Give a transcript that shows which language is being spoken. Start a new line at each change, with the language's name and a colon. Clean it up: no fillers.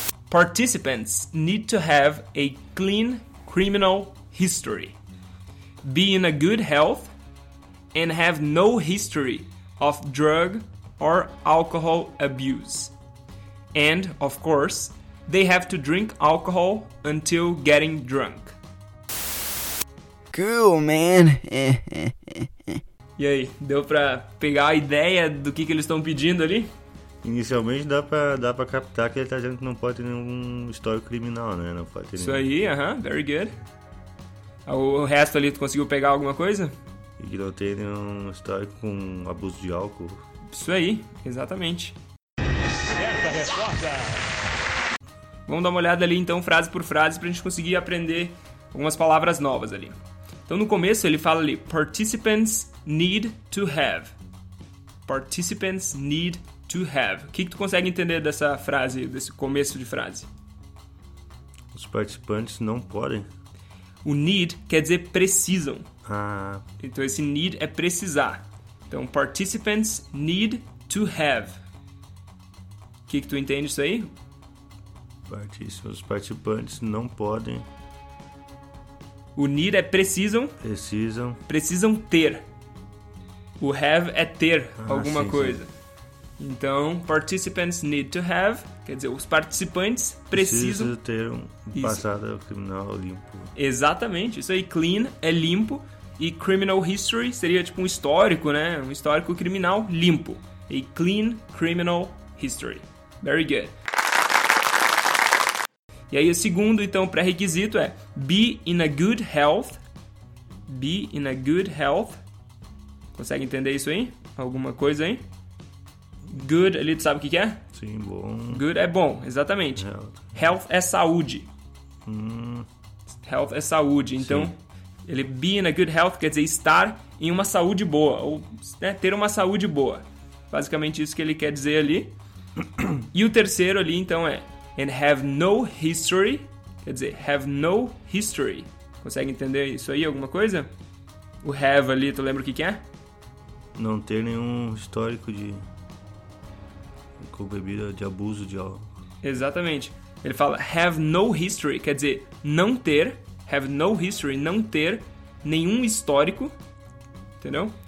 English: Participants need to have a clean criminal history, be in a good health, and have no history of drug or alcohol abuse. And, of course, they have to drink alcohol until getting drunk. Cool, man.
Portuguese: E aí, deu pra pegar a ideia do que eles estão pedindo ali? Inicialmente dá pra captar que ele tá dizendo que não pode ter nenhum histórico criminal, né? Não pode ter isso nenhum. Isso aí,
English: very good.
Portuguese: O resto ali, tu conseguiu pegar alguma coisa? E que não tem nenhum histórico com abuso de álcool. Isso aí, exatamente. Certa resposta! Vamos dar uma olhada ali então, frase por frase, pra gente conseguir aprender algumas palavras novas ali. Então no começo ele fala ali,
English: participants need to have. Participants need to have.
Portuguese: O que tu consegue entender dessa frase, desse começo de frase? Os participantes não podem. O need quer dizer precisam. Ah. Então esse need é precisar. Então
English: participants need to have.
Portuguese: O que tu entende isso aí? Os participantes não podem. O need é precisam. Precisam. Precisam ter. O have é ter alguma sim, coisa. Sim. Então,
English: participants need to have,
Portuguese: quer dizer, os participantes precisam... Precisa ter um passado isso. Criminal limpo. Exatamente, isso aí, clean é limpo, e criminal history seria tipo um histórico, né? Um histórico criminal limpo.
English: A clean criminal history. Very good.
Portuguese: E aí, o segundo, então, pré-requisito é
English: be in a good health. Be in a good health. Consegue entender isso aí?
Portuguese: Alguma coisa aí? Good, ali tu sabe o que é? Sim, bom. Good é bom, exatamente.
English: Health
Portuguese: é saúde. Health é saúde. Então, sim. Ele
English: be in a good health
Portuguese: quer dizer estar em uma saúde boa. Ou né, ter uma saúde boa. Basicamente isso que ele quer dizer ali. E o terceiro ali, então, é
English: and have no history.
Portuguese: Quer dizer,
English: have no history.
Portuguese: Consegue entender isso aí, alguma coisa? O have ali, tu lembra o que é? Não ter nenhum histórico de... Com bebida de abuso de álcool. Exatamente. Ele fala
English: have no history,
Portuguese: quer dizer, não ter.
English: Have no history,
Portuguese: não ter nenhum histórico. Entendeu?